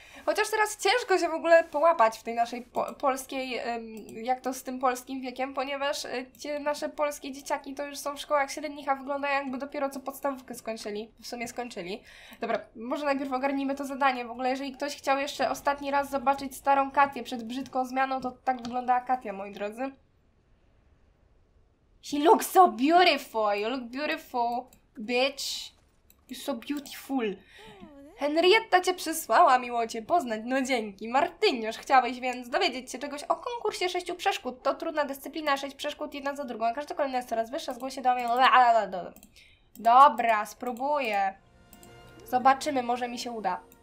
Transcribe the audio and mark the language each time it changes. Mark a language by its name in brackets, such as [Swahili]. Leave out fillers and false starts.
[Polish] Chociaż teraz ciężko się w ogóle połapać w tej naszej polskiej, jak to z tym polskim wiekiem, ponieważ te nasze polskie dzieciaki to już są w szkołach średnich, a wyglądają jakby dopiero co podstawówkę skończyli, w sumie skończyli. Dobra, może najpierw ogarnijmy to zadanie. W ogóle, jeżeli ktoś chciał jeszcze ostatni raz zobaczyć starą Katię przed brzydką zmianą, to tak wygląda Katia, moi drodzy. [English] She looks so beautiful, you look beautiful, bitch. You're so beautiful. [Polish] Henrietta cię przysłała, miło cię poznać. No dzięki. Martyniusz, chciałeś więc dowiedzieć się czegoś o konkursie sześciu przeszkód. To trudna dyscyplina, sześć przeszkód, jedna za drugą, a każda kolejna jest coraz wyższa. Zgłoś się do mnie. Dobra, spróbuję. Zobaczymy, może mi się uda.